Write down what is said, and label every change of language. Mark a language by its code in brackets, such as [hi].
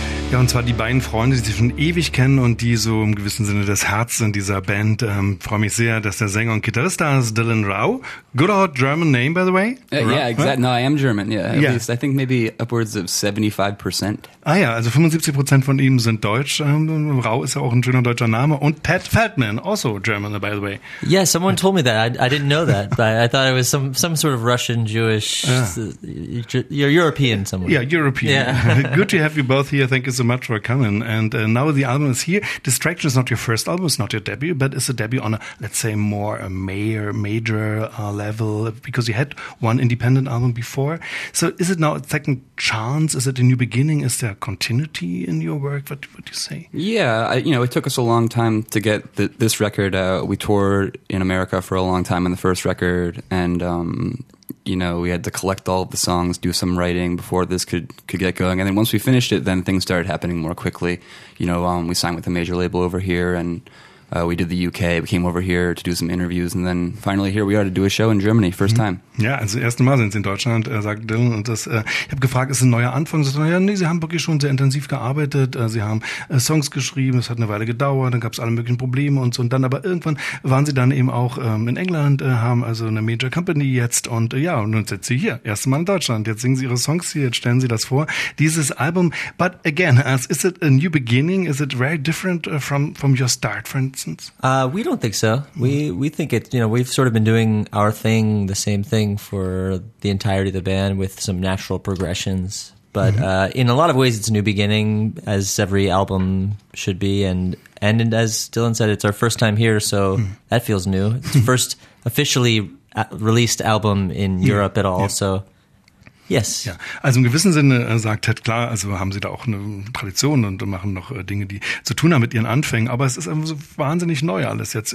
[de] Ja, und zwar die beiden Freunde, die sich schon ewig kennen und die so im gewissen Sinne das Herz sind dieser Band. Freue mich sehr, dass der Sänger und Gitarrist da ist, Dylan Rau. [en] Good old German name, by the way. Yeah, exactly. No, I am German. Yeah, at least. I think maybe upwards of 75%. [de] Ah ja, also 75% von ihm sind Deutsch. Rau ist ja auch ein schöner deutscher Name. [en] Und Pat Feldman, also German, by the way. Yeah, someone told me that. I didn't know that. But I thought it was some sort of Russian, Jewish, European somewhere. Yeah, European. Yeah. Good to have you both here. Thank you so much for coming. And now the album is here. Distraction is not your first album. It's not your debut, but it's a debut on a, let's say, more a major level, because you had one independent album before. So is it now a second chance? Is it a new beginning? Is there continuity in your work? What do you say? Yeah, it took us a long time to get this record. We toured in America for a long time on the first record, and we had to collect all of the songs, do some writing before this could get going. And then once we finished it, then things started happening more quickly. We signed with a major label over here, and we did the UK. We came over here to do some interviews, and then finally here we are to do a show in Germany, first time. [de] Ja, also das erste Mal sind sie in Deutschland, sagt Dylan. Und das, ich habe gefragt, ist es ein neuer Anfang? Sie sagten, sie haben wirklich schon sehr intensiv gearbeitet. Sie haben Songs geschrieben, es hat eine Weile gedauert, dann gab es alle möglichen Probleme und so. Und dann aber irgendwann waren sie dann eben auch in England, haben also eine Major Company jetzt. Und und nun sitzt sie hier, erste Mal in Deutschland. Jetzt singen sie ihre Songs hier, jetzt stellen sie das vor, dieses Album. [en] But again, is it a new beginning? Is it very different from your start, for instance? We don't think so. We think it, we've sort of been doing our thing, the same thing, for the entirety of the band with some natural progressions. But in a lot of ways, it's a new beginning, as every album should be. And as Dylan said, it's our first time here, so that feels new. It's the first officially released album in Europe at all, so... Yes. [de] Ja, also im gewissen Sinne sagt Ted, klar, also haben sie da auch eine Tradition und machen noch Dinge, die zu tun haben mit ihren Anfängen, aber es ist einfach so wahnsinnig neu alles jetzt.